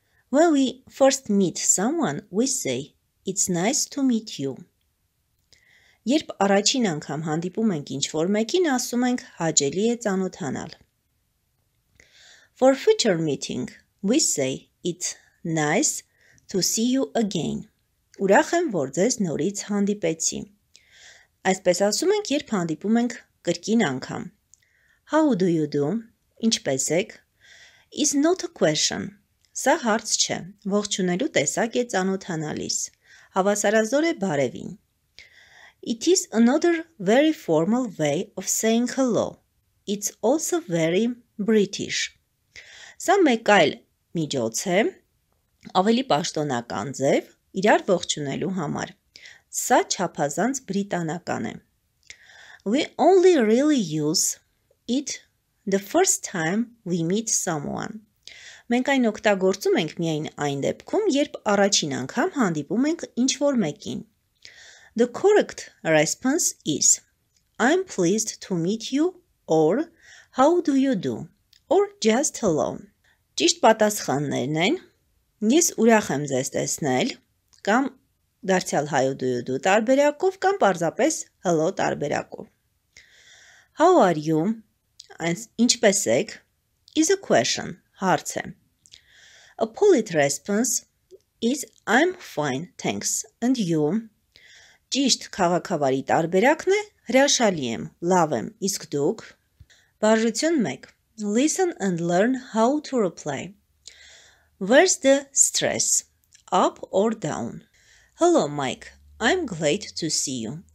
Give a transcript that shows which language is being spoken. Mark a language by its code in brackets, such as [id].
[en] When we first meet someone, we say, it's nice to meet you. [hy] Երբ առաջին անգամ հանդիպում ենք ինչ-որ մեկին, ասում ենք, հաճելի է ծանոթանալ. [en] For future meeting, we say, it's nice to see you again. [hy] Ուրախ եմ, որ ձեզ նորից հանդիպեցի. Այսպես ասում ենք, երբ հանդիպում ենք կրկին անգամ. [en] How do you do? [hy] Ինչպես եք? [en] It's not a question. [hy] Սա հարց չէ, ողջունելու տեսակ է ծանոթանալիս. Հավասարազոր է բարևին. [en] It is another very formal way of saying hello. It's also very British. [hy] Սա մեկ այլ միջոց է, ավելի պաշտոնական ձև, իրար ողջունելու համար. Սա չափազանց բրիտանական է. [en] We only really use it the first time we meet someone. [hy] Մենք այն օգտագործում ենք միայն այն դեպքում, երբ առաջին անգամ հանդիպում ենք ինչ-որ մեկին. [en] The correct response is I'm pleased to meet you or how do you do or just hello. [hy] Ճիշտ պատասխաններն են. Ես ուրախ եմ ձեզ տեսնել կամ դարձյալ [en] how do you do [hy] տարբերակով կամ պարզապես hello տարբերակով. [en] How are you? [hy] Ինչպես եք? [en] Is a question. [hy] Հարց է. [en] A polite response is I'm fine, thanks, and you? [hy] Ճիշտ քաղաքավարի տարբերակն է, հրաշալի եմ, լավ եմ, իսկ դուք? Բարժություն 1. [en] Listen and learn how to reply. Where's the stress? Up or down? Hello, Mike. I'm glad to see you.